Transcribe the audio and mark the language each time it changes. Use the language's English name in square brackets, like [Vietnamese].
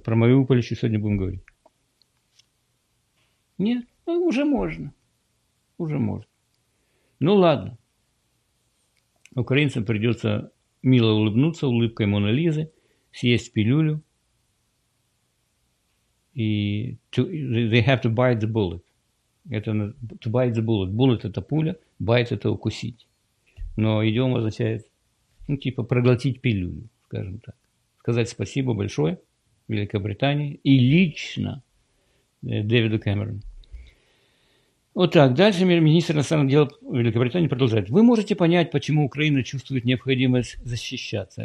[Russian] Про Мариуполь еще сегодня будем говорить. Нет. Уже можно. Ну ладно. Украинцам придется мило улыбнуться улыбкой Моны Лизы, съесть пилюлю. [English] И they have to bite the bullet. [Russian] Это [English] to bite the bullet. [Russian] Bullet это пуля, bite это укусить. Но идиом означает, ну типа проглотить пилюлю, скажем так. Сказать спасибо большое Великобритании и лично Дэвиду Кэмерону. Вот так. Дальше министр иностранных дел Великобритании продолжает. Вы можете понять, почему Украина чувствует необходимость защищаться?